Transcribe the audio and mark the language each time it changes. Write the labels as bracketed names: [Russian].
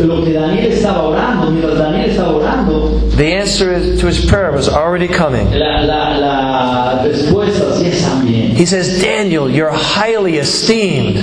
[Spanish] lo que Daniel estaba orando, mientras Daniel estaba orando, [English] the answer to his prayer was already coming. [Spanish] La respuesta sí está bien. [English] He says, Daniel, you're highly esteemed.